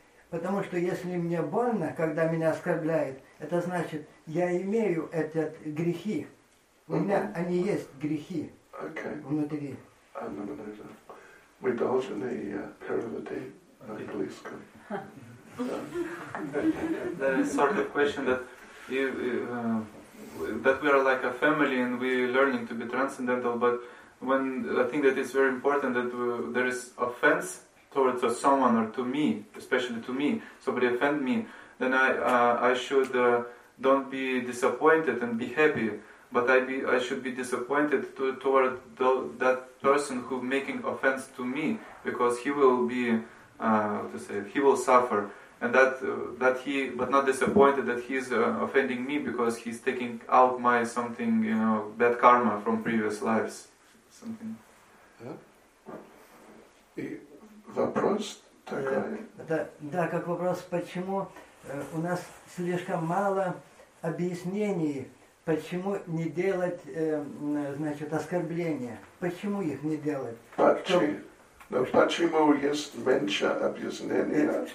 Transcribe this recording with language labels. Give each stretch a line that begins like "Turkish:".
Russian: Потому что если мне больно, когда меня оскорбляют, это значит, я имею эти грехи. У меня они есть, грехи внутри. Мы должны перевести на английском.
English: Sort of question that that we are like a family and we are learning to be transcendental, but when I think that it's very important that there is offense towards someone or to me, especially to me, somebody offend me, then I should don't be disappointed and be happy, but I should be disappointed toward that person who making offense to me, because he will be he will suffer. And that he, but not disappointed that he's offending me because he's taking out my something, you know, bad karma from previous lives, something.
Russian: Yeah. И вопрос такой. Да, как вопрос, почему у нас слишком мало объяснений, почему не делать, значит, оскорбления, почему их не делать? Но почему есть меньше объяснений?